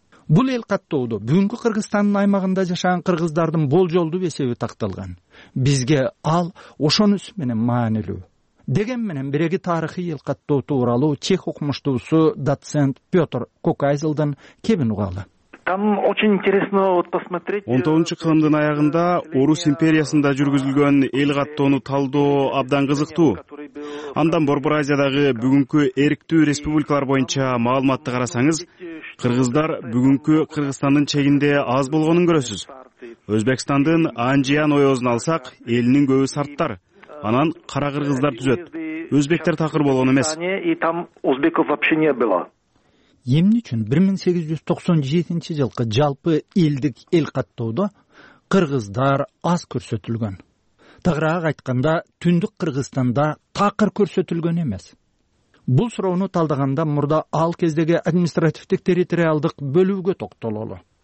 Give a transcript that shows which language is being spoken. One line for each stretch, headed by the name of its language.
Kyrgyz: Бул эл каттоодо бүгүнкү Кыргызстандын аймагында жашаган кыргыздардын болжолдуу эсеби такталган. Бизге ал ошонусу менен маанилүү. Деген менен биреги тарыхый эл каттоо тууралуу чех окумуштуусу доцент Петр Кокайзылдын кебин угалы.
Russian: Там очень интересно вот посмотреть.
Kyrgyz: 19-чу кылымдын аягында Орус империясында жүргүзүлгөн эл каттоону талдоо абдан кызыктуу. Андан Борбор Азиядагы бүгүнкү эриктүү республикалар боюнча маалыматты карасаңыз, кыргыздар бүгүнкү Кыргызстандын чегинде аз болгонун көрөсүз. Өзбекстандын Анжиян оюузун алсак, элинин көбү сарттар, анан кара кыргыздар түзөт. Өзбектер такыр болгон эмес.
Russian: И там узбеков вообще не было.
Kyrgyz: Эмне үчүн 1897 жылкы жалпы элдик эл каттоодо кыргыздар аз көрсөтүлгөн? Тагыраак айтканда, түндүк Кыргызстанда такыр көрсөтүлгөн эмес. Бул суроону талдаганда мурда ал кездеги административдик территориалдык бөлүүгө токтололу.